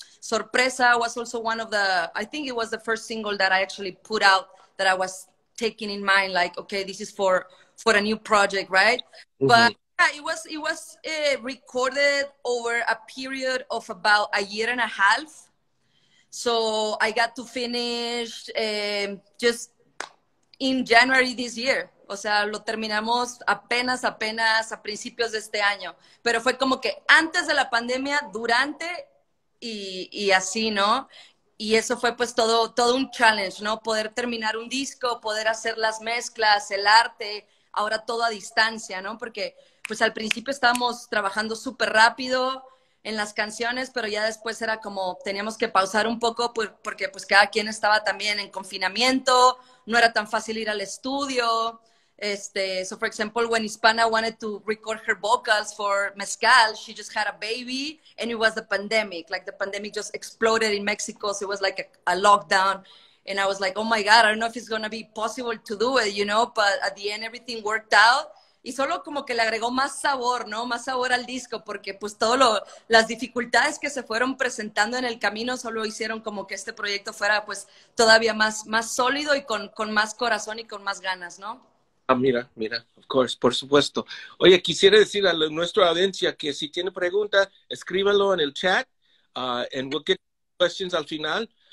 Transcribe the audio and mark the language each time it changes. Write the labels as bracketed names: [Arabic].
[English] Sorpresa was also one of the, I think it was the first single that I actually put out that I was taking in mind, like, okay, this is for a new project, right? Mm-hmm. But yeah, it was recorded over a period of about a year and a half. So I got to finish just in January this year. [Spanish] O sea, lo terminamos apenas a principios de este año. Pero fue como que antes de la pandemia, durante y así, ¿no? Y eso fue pues todo un challenge, ¿no? Poder terminar un disco, poder hacer las mezclas, el arte, ahora todo a distancia, ¿no? Porque pues al principio estábamos trabajando súper rápido en las canciones, pero ya después era como teníamos que pausar un poco porque pues cada quien estaba también en confinamiento, no era tan fácil ir al estudio. [English] So for example, when Hispana wanted to record her vocals for Mezcal, she just had a baby and it was the pandemic. Like the pandemic just exploded in Mexico, so it was like a lockdown. And I was like, oh my God, I don't know if it's going to be possible to do it, you know, but at the end everything worked out. [Spanish] Y solo como que le agregó más sabor, ¿no? Más sabor al disco, porque pues todas las dificultades que se fueron presentando en el camino solo hicieron como que este proyecto fuera pues todavía más sólido y con más corazón y con más ganas, ¿no? Ah, mira, [English] of course, [Spanish] por supuesto. Oye, quisiera decir a nuestra audiencia que si tiene pregunta, escríbalo en el chat, [English] and we'll get questions [Spanish] al final.